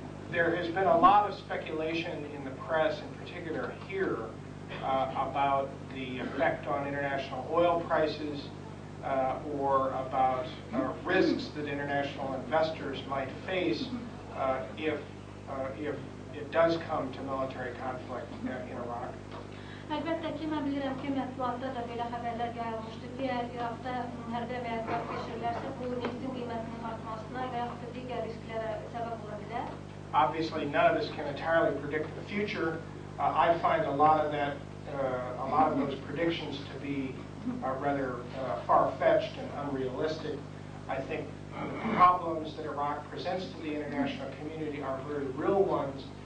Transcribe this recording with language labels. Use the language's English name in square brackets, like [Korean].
[English] There has been a lot of speculation in the press, in particular here, about the effect on international oil prices or about risks that international investors might face if it does come to military conflict in Iraq. [Azerbaijani] Əlbəttə ki, mən bilirəm ki, mətbuatda da belə xəbərlər gəlmişdir ki, əgər İraqda hərbi əməliyyatlar keçirilərsə, bu neftin qiymətinin artmasına və yaxud da digər risklərə səbəb ola bilər. [English] Obviously, none of us can entirely predict the future. I find a lot of that, a lot of those predictions to be rather far-fetched and unrealistic. I think the problems that Iraq presents to the international community are very real ones.